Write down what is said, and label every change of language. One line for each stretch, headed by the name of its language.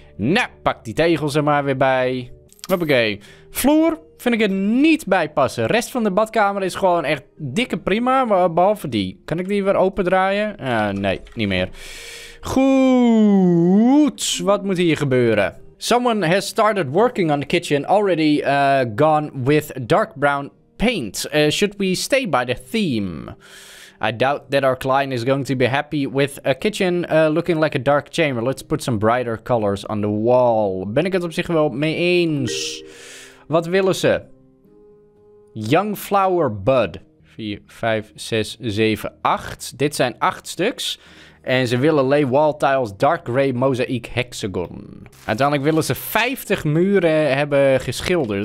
Dutch: Nou, pak die tegels er maar weer bij. Hoppakee. Vloer vind ik er niet bij passen. Rest van de badkamer is gewoon echt dikke prima. Behalve die. Kan ik die weer opendraaien? Nee, niet meer. Goed, wat moet hier gebeuren?
English: Someone has started working on the kitchen already gone with dark brown paint. Should we stay by the theme? I doubt that our client is going to be happy with a kitchen looking like a dark chamber. Let's put some brighter colors on the wall.
Dutch: Ben ik het op zich wel mee eens? Wat willen ze? Young flower bud. 4, 5, 6, 7, 8. Dit zijn 8 stuks. En ze willen
English: lay wall tiles dark gray mosaic hexagon.
Dutch: Uiteindelijk willen ze 50 muren hebben geschilderd.